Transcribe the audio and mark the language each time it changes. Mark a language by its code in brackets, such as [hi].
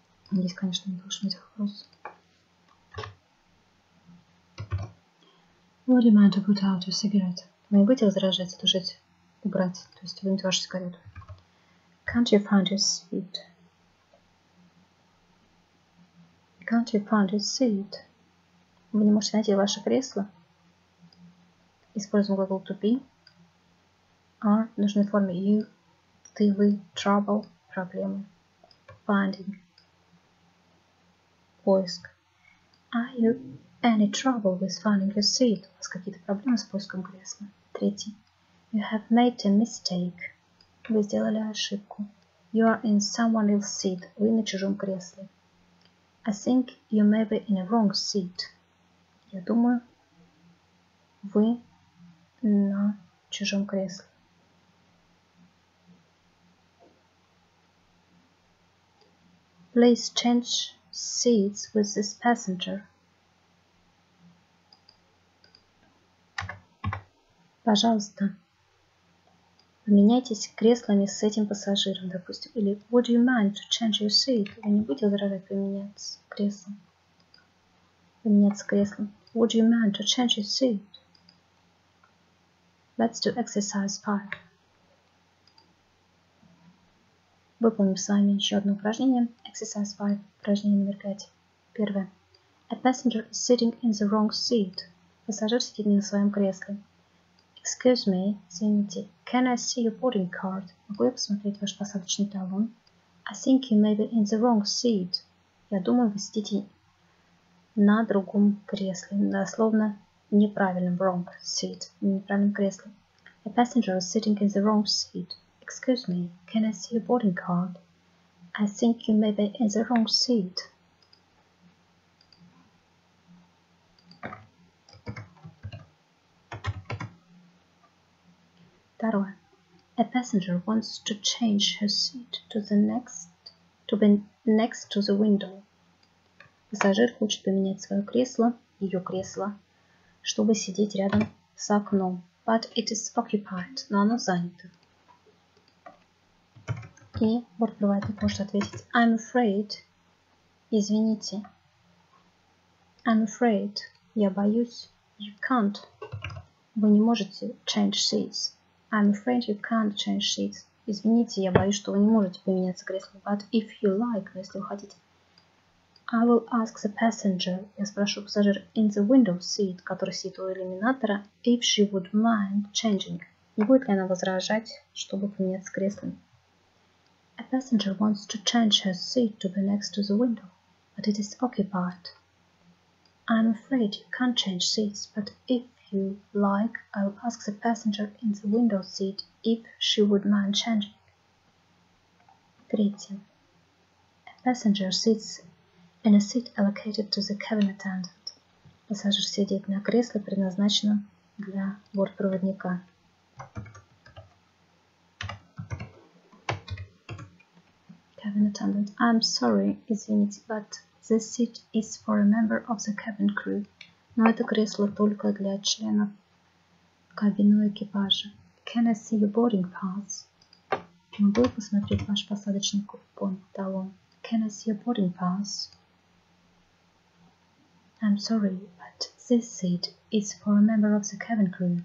[ru] Здесь, конечно, не должен быть вопрос. [en] Would you mind to put out your cigarette? [ru] Вы не будете возражать, отложить, убрать, то есть вынуть вашу сигарету. [en] Can't you find your seat? Can't you find your seat? [ru] Вы не можете найти ваше кресло? Используем глагол [en] to be. Are [ru] в нужной форме [en] you. [ru] Ты, вы, [en] trouble, [ru] проблемы, [en] finding, [ru] поиск. [en] Are you any trouble with finding your seat? [ru] У вас какие-то проблемы с поиском кресла? Третий. [en] You have made a mistake. [ru] Вы сделали ошибку. [en] You are in someone else's seat. [ru] Вы на чужом кресле. [en] I think you may be in a wrong seat. [ru] Я думаю, вы на чужом кресле. [en] Please change seats with this passenger. [ru] Пожалуйста, поменяйтесь креслами с этим пассажиром, допустим. Или [en] would you mind to change your seat? [ru] Вы не будете возражать поменяться креслом? Поменяться креслом. [en] Would you mind to change your seat? Let's do exercise 5. [ru] Выполним с вами еще одно упражнение. [en] Exercise 5. [ru] Упражнение номер 5. Первое. [en] A passenger is sitting in the wrong seat. [ru] Пассажир сидит не на своем кресле. [en] Excuse me, [ru] извините. [en] Can I see your boarding card? [ru] Могу я посмотреть ваш посадочный талон? [en] I think you may be in the wrong seat. [ru] Я думаю, вы сидите на другом кресле. Дословно, неправильном. [en] Wrong seat. [ru] В неправильном кресле. [en] A passenger is sitting in the wrong seat. Excuse me, can I see your boarding card? I think you may be in the wrong seat. [ru] Второе. [en] A passenger wants to change her seat to the next, to be next to the window. [ru] Пассажир хочет поменять свое кресло, ее кресло, чтобы сидеть рядом с окном. [en] But it is occupied. [ru] Но оно занято. И бортпроводник может ответить [en] I'm afraid. [ru] Извините. [en] I'm afraid. [ru] Я боюсь. [en] You can't. [ru] Вы не можете [en] change seats. I'm afraid you can't change seats. [ru] Извините, я боюсь, что вы не можете поменяться кресло. [en] But if you like, [ru] но если вы хотите. [en] I will ask the passenger, [ru] я спрошу пассажира, [en] in the window seat, [ru] который сидит у иллюминатора, [en] if she would mind changing. [ru] Не будет ли она возражать, чтобы поменяться креслами? [en] A passenger wants to change her seat to be next to the window, but it is occupied. I'm afraid you can't change seats, but if you like, I will ask the passenger in the window seat if she would mind changing. [ru] Третье. [en] A passenger sits in a seat allocated to the cabin attendant. [ru] Пассажир сидит на кресле, предназначенном для бортпроводника. [en] Cabin attendant. I'm sorry, [ru] извините, [en] but this seat is for a member of the cabin crew. [ru] Но это кресло только для членов кабинного экипажа. [en] Can I see your boarding pass? [ru] Могу я посмотреть ваш посадочный купон, талон? [en] Can I see your boarding pass? I'm sorry, but this seat is for a member of the cabin crew.